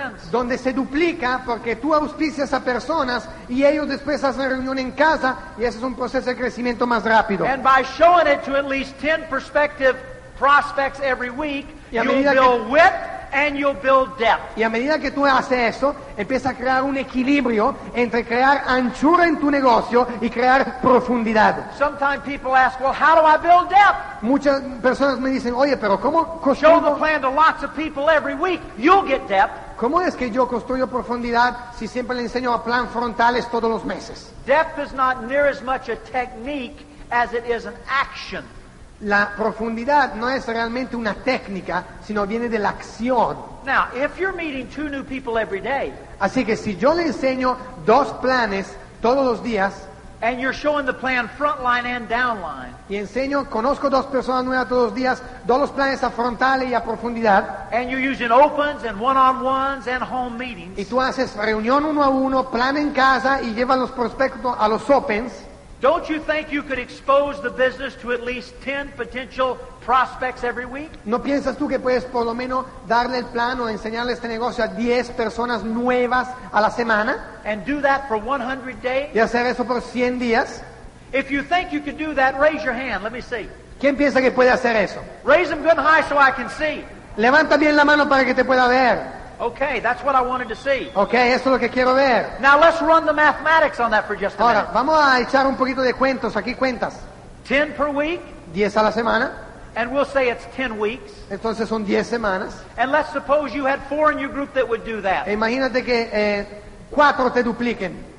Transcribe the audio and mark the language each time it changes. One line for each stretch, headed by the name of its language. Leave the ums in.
Spanish: Donde se duplica porque tú auspicias a personas y ellos después hacen reunión en casa y ese es un proceso de crecimiento más rápido.
English: And by showing it to at least 10 prospective prospects every week, you build width and you build depth.
Spanish: Y a medida que tú haces eso, empieza a crear un equilibrio entre crear anchura en tu negocio y crear profundidad.
English: Sometimes people ask, well, how do I build depth?
Spanish: Muchas personas me dicen, oye, pero cómo construyo?
English: Show the plan to lots of people every week. You'll get depth.
Spanish: ¿Cómo es que yo construyo profundidad si siempre le enseño a plan frontales todos los meses?
English: Depth is not near as much a technique as it is an action.
Spanish: La profundidad no es realmente una técnica, sino viene de la acción.
English: Now, if you're meeting two new people every day,
Spanish: Así que si yo le enseño dos planes todos los días, y enseño, conozco dos personas nuevas todos los días, dos los planes a frontal y a profundidad, y tú haces reunión uno a uno, plan en casa y llevas los prospectos a los opens,
English: Don't you think you could expose the business to at least 10 potential prospects every week?
Spanish: ¿No piensas tú que puedes por lo menos darle el plan o enseñarle este negocio a diez personas nuevas a la semana?
English: And do that for 100 days?
Spanish: ¿Y hacer eso por 100 días?
English: If you think you can do that, raise your hand. Let me see.
Spanish: ¿Quién piensa que puede hacer eso?
English: Raise them good and high so I can see.
Spanish: Levanta bien la mano para que te pueda ver.
English: Okay, that's what I wanted to see.
Spanish: Okay, esto es lo que quiero ver.
English: Now let's run the mathematics on that for just a Ahora, minute.
Spanish: Vamos a echar un poquito de cuentos. Aquí cuentas.
English: Ten per week.
Spanish: Diez a la semana.
English: And we'll say it's ten weeks.
Spanish: Entonces son diez semanas.
English: And let's suppose you had four in your group that would do that.
Spanish: E imagínate que eh, cuatro te dupliquen.